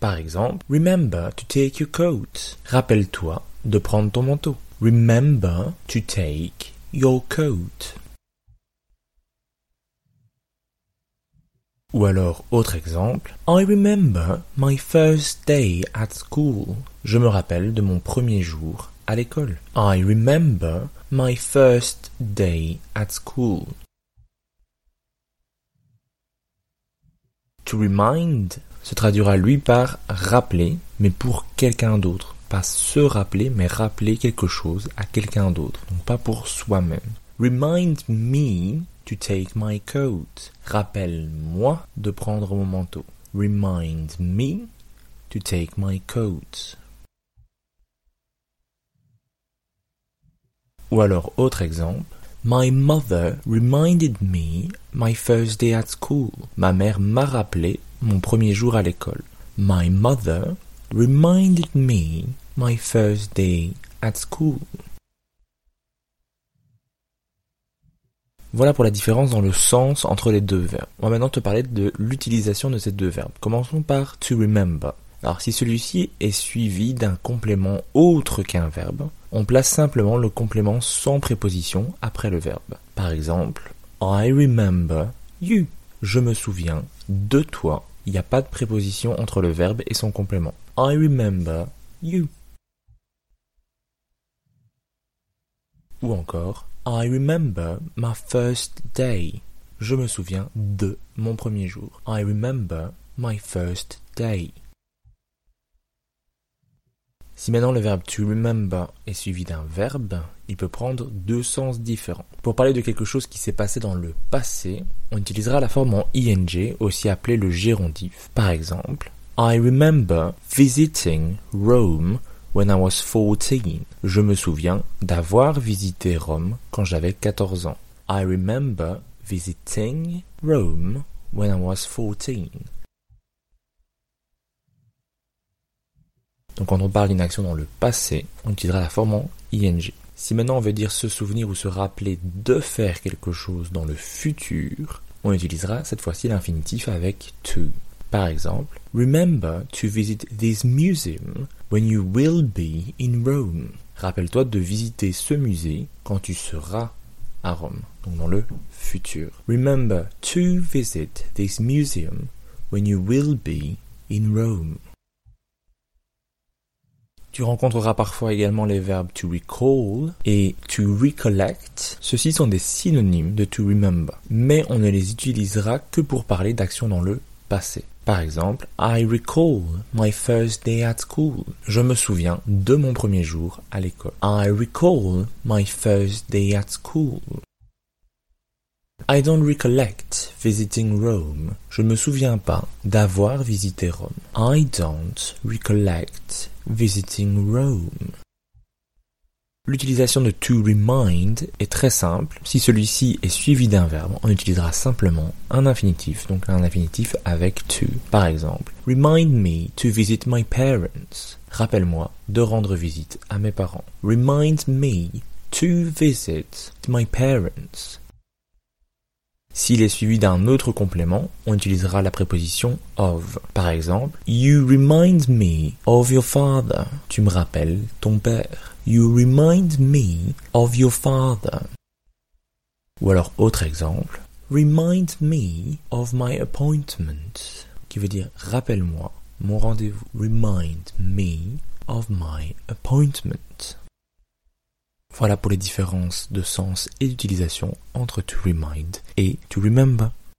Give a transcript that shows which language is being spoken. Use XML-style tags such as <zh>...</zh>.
<fr>Par exemple «</fr> <en>remember to take your coat</en> <fr>» « rappelle-toi de prendre ton manteau ».«</fr> <en>Remember to take your coat</en> <fr>» Ou alors autre exemple «</fr> <en>I remember my first day at school</en> <fr>» Je me rappelle de mon premier jour à l'école.</fr> <en>I remember my first day at school.</en> <fr>To remind se traduira lui par rappeler, mais pour quelqu'un d'autre. Pas se rappeler, mais rappeler quelque chose à quelqu'un d'autre. Donc pas pour soi-même.</fr> <en>Remind me to take my coat.</en> <fr>Rappelle-moi de prendre mon manteau.</fr> <en>Remind me to take my coat.</en> <fr>Ou alors, autre exemple,</fr> <en>My mother reminded me my first day at school.</en> <fr>Ma mère m'a rappelé mon premier jour à l'école.</fr> <en>My mother reminded me my first day at school.</en> <fr>Voilà pour la différence dans le sens entre les deux verbes. On va maintenant te parler de l'utilisation de ces deux verbes. Commençons par to remember. Alors, si celui-ci est suivi d'un complément autre qu'un verbe, on place simplement le complément sans préposition après le verbe. Par exemple,</fr> <en>I remember you.</en> <fr>Je me souviens de toi. Il n'y a pas de préposition entre le verbe et son complément.</fr> <en>I remember you.</en> <fr>Ou encore,</fr> <en>I remember my first day.</en> <fr>Je me souviens de mon premier jour.</fr> <en>I remember my first day.</en> <fr>Si maintenant le verbe to remember est suivi d'un verbe, il peut prendre deux sens différents. Pour parler de quelque chose qui s'est passé dans le passé, on utilisera la forme en ing, aussi appelée le gérondif. Par exemple,</fr> <en>I remember visiting Rome when I was 14.</en> <fr>Je me souviens d'avoir visité Rome quand j'avais 14 ans.</fr> <en>I remember visiting Rome when I was 14.</en> <fr>Donc quand on parle d'une action dans le passé, on utilisera la forme en ing. Si maintenant on veut dire se souvenir ou se rappeler de faire quelque chose dans le futur, on utilisera cette fois-ci l'infinitif avec to. Par exemple,</fr> <en>remember to visit this museum when you will be in Rome.</en> <fr>Rappelle-toi de visiter ce musée quand tu seras à Rome, donc dans le futur.</fr> <en>Remember to visit this museum when you will be in Rome.</en> <fr>Tu rencontreras parfois également les verbes to recall et to recollect. Ceux-ci sont des synonymes de to remember, mais on ne les utilisera que pour parler d'actions dans le passé. Par exemple,</fr> <en>I recall my first day at school.</en> <fr>Je me souviens de mon premier jour à l'école.</fr> <en>I recall my first day at school. I don't recollect visiting Rome.</en> <fr>Je ne me souviens pas d'avoir visité Rome.</fr> <en>I don't recollect visiting Rome.</en> <fr>L'utilisation de to remind est très simple. Si celui-ci est suivi d'un verbe, on utilisera simplement un infinitif, donc un infinitif avec to. Par exemple,</fr> <en>remind me to visit my parents.</en> <fr>Rappelle-moi de rendre visite à mes parents.</fr> <en>Remind me to visit my parents.</en> <fr>S'il est suivi d'un autre complément, on utilisera la préposition of. Par exemple,</fr> <en>you remind me of your father.</en> <fr>Tu me rappelles ton père.</fr> <en>You remind me of your father.</en> <fr>Ou alors, autre exemple,</fr> <en>remind me of my appointment.</en> <fr>Qui veut dire, rappelle-moi mon rendez-vous.</fr> <en>Remind me of my appointment.</en> <fr>Voilà pour les différences de sens et d'utilisation entre to remind et to remember.</fr>